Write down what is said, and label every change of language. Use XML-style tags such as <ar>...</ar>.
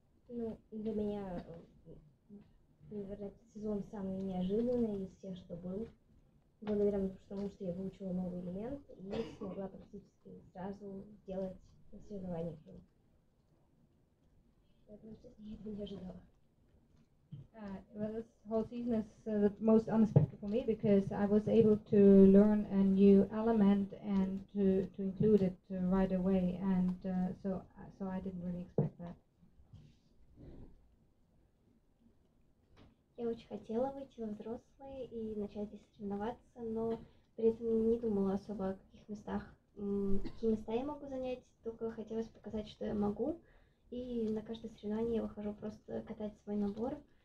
<ru>Ну, для меня, наверное, сезон самый неожиданный из всех, что был. Благодаря тому, что я выучила новый элемент и смогла практически сразу сделать на соревнованиях. Поэтому я этого не ожидала.</ru> <en>Well, this whole season is the most unexpected for me because I was able to learn a new element and to include it right away, and so I didn't really expect that.</en> <ru>Я очень хотела выйти во взрослые и начать здесь соревноваться, но при этом не думала особо о каких местах, какие места я могу занять, только хотелось показать, что я могу. И на каждое соревнование я выхожу просто катать свой набор.</ru>